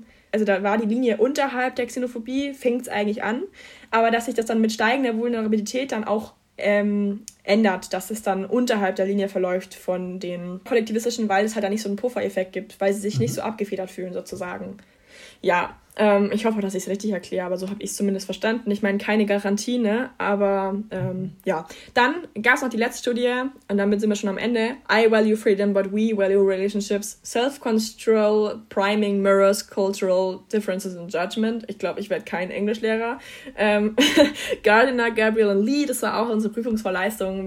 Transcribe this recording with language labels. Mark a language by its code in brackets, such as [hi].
[de] also da war die Linie unterhalb der Xenophobie, fängt es eigentlich an, aber dass sich das dann mit steigender Vulnerabilität dann auch ändert, dass es dann unterhalb der Linie verläuft von den Kollektivistischen, weil es halt da nicht so einen Puffereffekt gibt, weil sie sich nicht so abgefedert fühlen sozusagen. Ja, Ich hoffe, dass ich es richtig erkläre, aber so habe ich es zumindest verstanden. Ich meine, keine Garantie, ne? Aber ja. Dann gab es noch die letzte Studie und damit sind wir schon am Ende. [en] I value freedom, but we value relationships. Self-control, priming mirrors, cultural differences in judgment. [de] Ich glaube, ich werde kein Englischlehrer. Gardiner, Gabriel und Lee, das war auch unsere Prüfungsvorleistung.